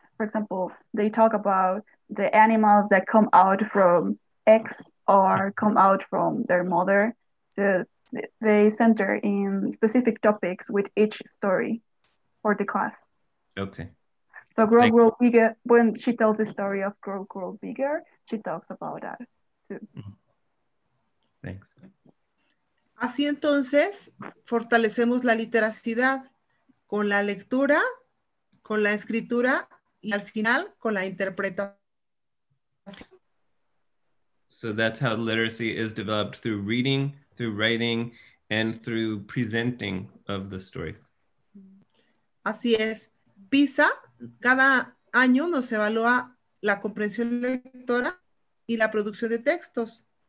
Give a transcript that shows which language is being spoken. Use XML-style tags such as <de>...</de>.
<en>For example, they talk about the animals that come out from eggs or come out from their mother. So they center in specific topics with each story for the class. Okay. So grow, thanks. Grow bigger, when she tells the story of grow, grow bigger, she talks about that too. Thanks.</en> <es>Así entonces, fortalecemos la literacidad con la lectura, con la escritura, y al final, con la interpretación.</es> <en>So that's how literacy is developed, through reading, through writing, and through presenting of the stories.</en> <es>Así es. PISA, cada año nos evalúa la comprensión lectora y la producción de textos.</es>